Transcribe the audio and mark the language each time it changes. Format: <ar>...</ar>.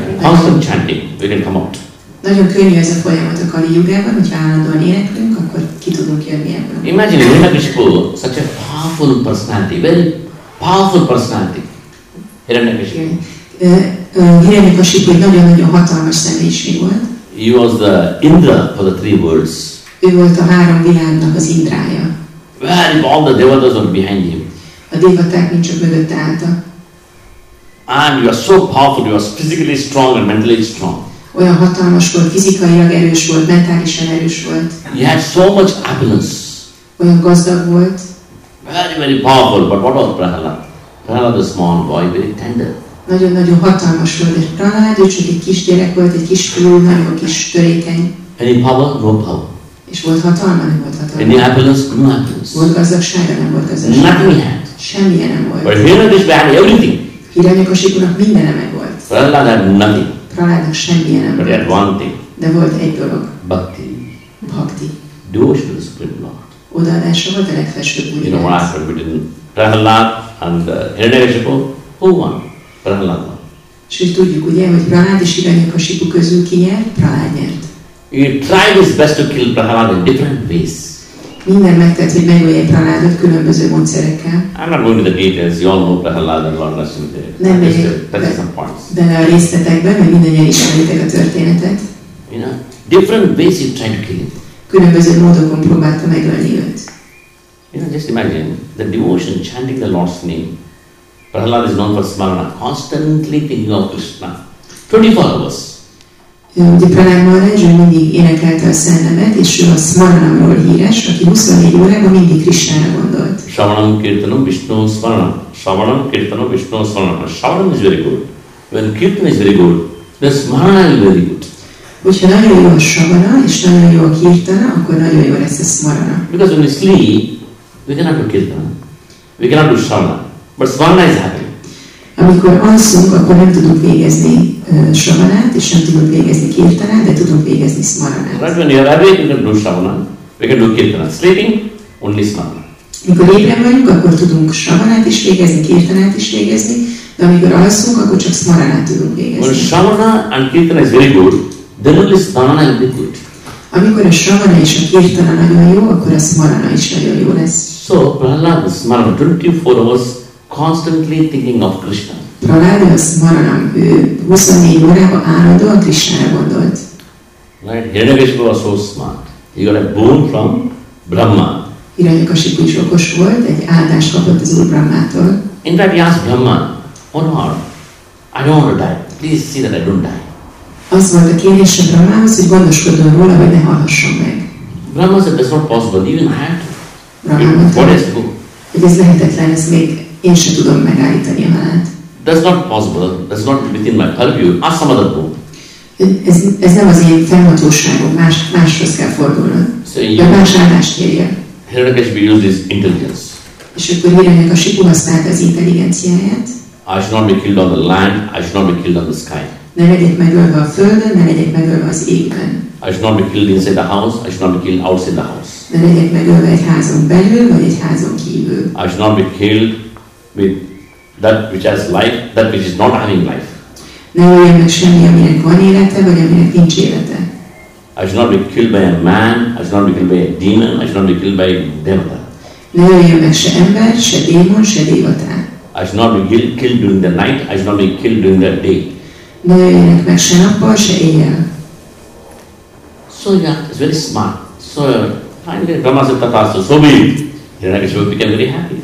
<en>Constant chanting, we can come out.</en> <hu>Nagyon könnyű ez a folyamat a Kali Yugában, hogyha állandóan éneklünk, akkor ki tudunk jönni ebből.</hu> <en>Imagine, Vrinda Kishpo, such a powerful personality, very powerful personality. Hiranya Kishpo.</en> <hu>Hiranya Kishpo egy nagyon-nagyon hatalmas személyiség volt.</hu> <en>He was the Indra for the three worlds.</en> <hu>Ő volt a három világnak az Indrája.</hu> <en>Well, all the devatas were behind him.</en> <hu>A devaták mind csak mögötte álltak.</hu> <en>And you are so powerful, you are physically strong and mentally strong.</en> <hu>Olyan hatalmas volt, fizikailag erős volt, mentálisan erős volt.</hu> <en>He had so much abundance.</en> <hu>Olyan gazdag volt.</hu> <en>Very, very powerful, but what was Prahlad? Prahlad was a small boy, very tender.</en> <hu>Nagyon-nagyon hatalmas volt, és Prahlad, ő csak egy kis gyerek volt, egy kis fiú, nagyon kis törékeny.</hu> <en>Any power? No power.</en> <hu>És volt hatalma, nem volt hatalma.</hu> <en>Any happiness? No happiness.</en> <hu>Volt gazdagsága, nem volt gazdagsága.</hu> <en>Nothing had.</en> <hu>Semmilyen nem volt.</hu> <en>But here it is bad, everything.</en> <hu>Hiranyakasipunak minden meg volt.</hu> <en>Prahlad had nothing.</en> <hu>Prahladnak semmilyen nem volt.</hu> <en>But he had one thing.</en> <hu>De volt egy dolog. Bhakti. Bhakti.</hu> <en>Devotion to the Supreme Lord.</en> <hu>Odaadása volt a legfelsőbb úgy.</hu> <en>You know what happened between Prahlad and Hiranyakasipu? Who won? Prahlad won.</en> <hu>És hogy tudjuk ugye, hogy Prahlad és Hiranyakasipu közül ki nyert? Prahlad nyert.</hu> <en>He tried his best to kill Prahlad in different ways.</en> <hu>Minden megtett, hogy megölje Prahladot különböző módszerekkel.</hu> <en>I'm not going to the details, you all know Prahlad and Lord Narasimha.</en> <hu>Nem megyek bele a részletekbe, mert mindannyian ismeritek a történetet.</hu> <en>You know, different ways he tried to kill him.</en> <hu>Különböző módokon próbálta megölni őt.</hu> <en>You know, just imagine, the devotion chanting the Lord's name. Prahlad is known for Smarana, constantly thinking of Krishna. 24 hours.</en> <hu>Ugye Pranád Maharaj, ő mindig énekelte a szellemet, és ő a Smaranamról híres, aki 24 órában mindig Krisnára gondolt.</hu> <en>Shravanam Kirtanam Vishnu Smaranam. Shravanam Kirtanam Vishnu Smaranam. Shravanam is very good. When Kirtan is very good, the Smarana is very good.</en> <hu>Hogyha nagyon jó a Shravana, és nagyon jó a Kirtana, akkor nagyon jó lesz a Smarana.</hu> <en>Because when we sleep, we cannot do Kirtana. We cannot do Shravana. But Smarana is happy.</en> <hu>Amikor alszunk, akkor nem tudunk végezni Shravanát, és nem tudunk végezni Kirtanát, de tudunk végezni Smaranát.</hu> <en>Right, when you are awake, we can do Shravana, we can do Kirtana. Sleeping, only Smarana.</en> <hu>Mikor ébren vagyunk, akkor tudunk Shravanát is végezni, Kirtanát is végezni, de amikor alszunk, akkor csak Smaranát tudunk végezni.</hu> <en>When Shravana and Kirtana is very good, then only Smarana will be good.</en> <hu>Amikor a Shravana és a Kirtana nagyon jó, akkor a Smarana is nagyon jó lesz.</hu> <en>So, Prahlad, Smarana, 24 hours, constantly thinking of Krishna.</en> <hu>Prahlad Smaranam, ő 24 órában állandóan Krishnára gondolt.</hu> <en>Right, Hiranyakasipu was so smart. He got a boon from Brahma.</en> <hu>Hiranyakasipu is okos volt, egy áldást kapott az Úr Brahmától.</hu> <en>In fact, he asked Brahma, oh Lord, I don't want to die. Please see that I don't die.</en> <hu>Az volt a kérdése Brahmához, hogy gondoskodjon róla, hogy ne hallhasson meg.</hu> <en>Brahma said, that's not possible. Even I have to.</en> <hu>Brahma mondta, hogy ez lehetetlen, ez még én sem tudom megállítani a halált.</hu> <en>That's not possible. That's not within my purview. Ask some other boon.</en> <hu>Ez nem az én felhatóságom. Máshoz kell fordulnod.</hu> <en>So you,</en> <hu>de más áldást kérje.</hu> <en>Hiranyakasipu used his intelligence.</en> <hu>És akkor Hiranyakasipu használta az intelligenciáját.</hu> <en>I should not be killed on the land. I should not be killed on the sky.</en> <hu>Ne legyek megölve a földön, ne legyek megölve az égben.</hu> <en>I should not be killed inside the house. I should not be killed outside the house.</en> <hu>Ne legyek megölve egy házon belül, vagy egy házon kívül.</hu> <en>I should not be killed with that which has life, that which is not having life.</en> <hu>Ne öljön meg semmi, aminek van élete, vagy aminek nincs élete.</hu> <en>I should not be killed by a man, I should not be killed by a demon, I should not be killed by a devata.</en> <hu>Ne öljön meg se ember, se démon, se devata.</hu> <en>I should not be killed during the night, I should not be killed during the day.</en> <hu>Ne öljönek meg se nappal, se éjjel.</hu> <en>So yeah, it's very smart. So finally, Rama said, Tathasa, so be it. Hiranyakasipu became very happy.</en>